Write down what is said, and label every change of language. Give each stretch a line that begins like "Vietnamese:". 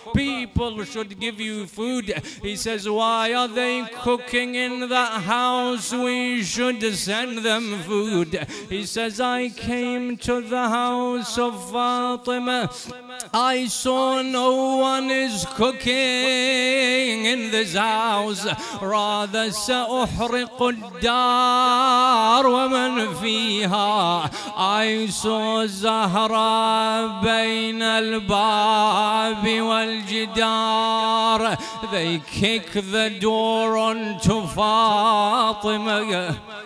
English: People should give you food. He says, why are they cooking in that house? We should send them food. He says, I came to the house of Fatima. I saw no one is cooking in this house. Rather,
Arabic: سأحرق الدار ومن فيها.
English: I saw Zahra
Arabic: بين الباب والجدار.
English: They kick the door onto Fatima.